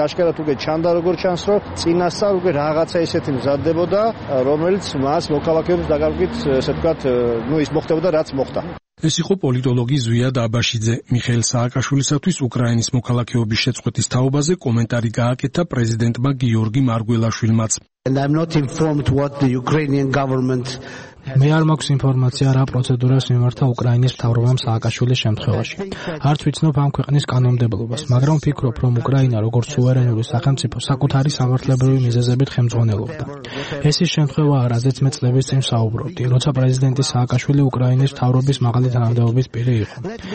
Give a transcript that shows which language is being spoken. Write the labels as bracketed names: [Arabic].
[Georgian] იქ აშკარად უკვე ჩანდა როგორ ჩანს, რომ წინასწარ უკვე რაღაცა ისეთი მზადდებოდა, რომელიც მას მოქალაქეობის დაკარგვით, ესე ვთქვათ, ნუ ის მოხდებოდა, რაც მოხდა. ეს იყო პოლიტოლოგი ზვიად აბაშიძე. მიხეილ სააკაშვილისათვის უკრაინის მოქალაქეობის შეწყვეტის თაობაზე კომენტარი გააკეთა პრეზიდენტმა გიორგი მარგველაშვილმაც. [English] And I'm not informed what the Ukrainian government [Georgian] მე არ მაქვს ინფორმაცია რა პროცედურას მიმართა უკრაინის მთავრობამ სააკაშვილის შემთხვევაში. არც ვიცნობ ამ ქვეყნის კანონმდებლობას, მაგრამ ვფიქრობ, რომ უკრაინა როგორც სუვერენული სახელმწიფო საკუთარი სამართლებრივი მიზეზებით ხელმძღვანელობდა. ეს ის შემთხვევა არ ასეც მე წლების წინ საუბრობდი, როცა პრეზიდენტი სააკაშვილი უკრაინის მთავრობის მაღალი თანამდებობის პირი იყო.